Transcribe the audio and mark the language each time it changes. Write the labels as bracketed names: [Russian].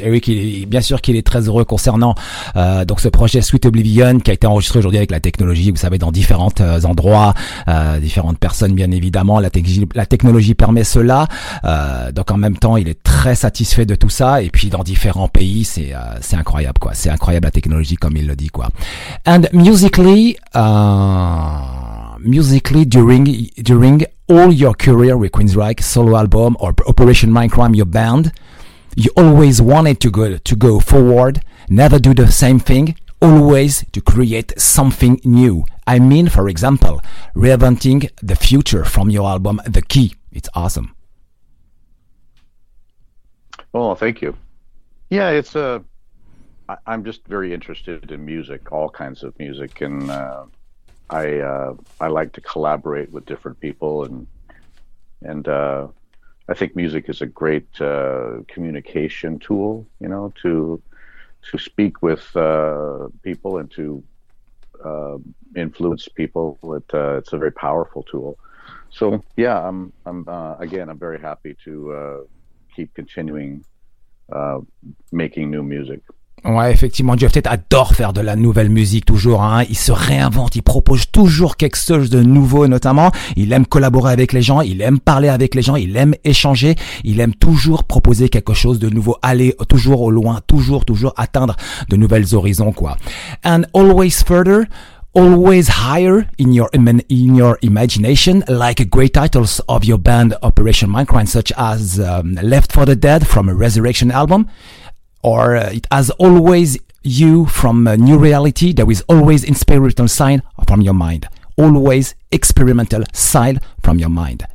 [French] Et oui, qu'il est très heureux concernant donc ce projet Sweet Oblivion qui a été enregistré aujourd'hui avec la technologie, vous savez, dans différents endroits, différentes personnes, bien évidemment. La technologie permet cela. Donc en même temps, il est très satisfait de tout ça. Et puis dans différents pays, c'est incroyable, quoi. C'est incroyable la technologie, comme il le dit, quoi. [English] And musically, during all your career with Queensryche, solo album or Operation Mindcrime, your band, you always wanted to go forward, never do the same thing, always to create something new. I mean, for example, reinventing the future from your album, The Key. It's awesome. Oh, thank you. Yeah, it's I'm just very interested in music, all kinds of music, and I like to collaborate with different people, and I think music is a great communication tool, to speak with people and to influence people. It's a very powerful tool. So, yeah, I'm very happy to keep continuing making new music. [French] Ouais, effectivement, Jeff Tate adore faire de la nouvelle musique toujours, hein. Il se réinvente, il propose toujours quelque chose de nouveau, notamment. Il aime collaborer avec les gens, il aime parler avec les gens, il aime échanger, il aime toujours proposer quelque chose de nouveau, aller toujours au loin, toujours, toujours atteindre de nouvelles horizons, quoi. [English] And always further. Always higher in your imagination, like great titles of your band Operation Mindcrime, such as Left for the Dead from a Resurrection album, or it has always you from a new reality. There is always inspirational sign from your mind, always experimental sign from your mind.